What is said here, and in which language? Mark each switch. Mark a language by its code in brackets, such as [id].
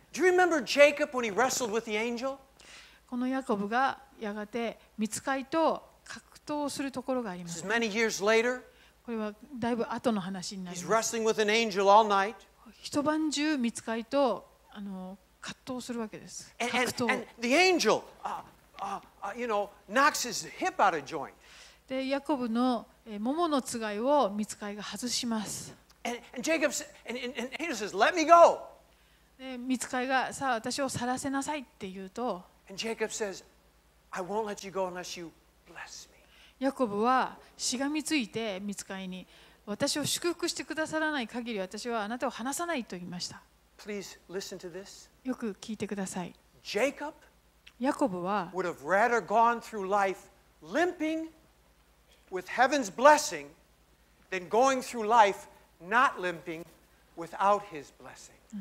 [en] Do you remember Jacob when he wrestled with the angel? [ja] このヤコブがやがて御使いと格闘するところがあります。 [en] This is many years later. [ja] これはだいぶ後の話になります。 [en] He's wrestling with an angel all night. [ja] 一晩中御使いと葛藤するわけです。 [en] And the angel, you know, knocks his hip out of joint. [ja] で、ヤコブの腿のつがいを御使いが外します。 [en] And Jacob says, and angel says, "Let me go." [ja] で、御使いがさあ、私を去らせなさいって言うと、 [en] And Jacob says, "I won't let you go unless you bless me." [ja] ヤコブはしがみついて御使いに、私を祝福してくださらない限り、私はあなたを離さないと言いました。 [en] Please listen to this. [ja] よく聞いてください。 [en] Jacob [ja] ヤコブは [en] would have rather gone through life limping with heaven's blessing than going through life not limping without his blessing.